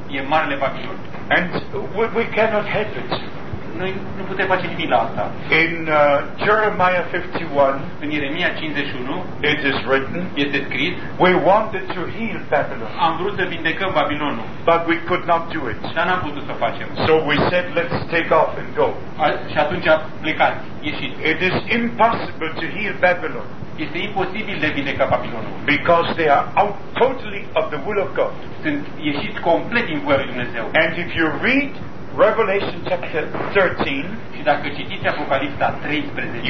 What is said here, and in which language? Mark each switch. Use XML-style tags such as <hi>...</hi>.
<ro>E marele Babilon.</ro> <en>And we cannot help it.</en> <ro>Noi nu putem face nimic la asta.</ro> <en>In Jeremiah 51,</en> <ro>în Ieremia 51,</ro> <en>it is written,</en> <ro>este scris,</ro> <en>we wanted to heal Babylon.</en> <ro>Am vrut să vindecăm Babilonul.</ro> <en>But we could not do it.</en> <ro>Dar n-am putut să facem.</ro> <en>So we said, let's take off and go.</en> <ro>Și atunci a plecat, ieșit.</ro> <en>It is impossible to heal Babylon.</en> <ro>Este imposibil de vindecat Babilonul.</ro> <en>Because they are out totally of the will of God.</en> <ro>Sunt ieșit complet din voia lui Dumnezeu.</ro> <en>And if you read Revelation chapter 13,</en> <ro>și dacă citiți Apocalipsa 13,</ro>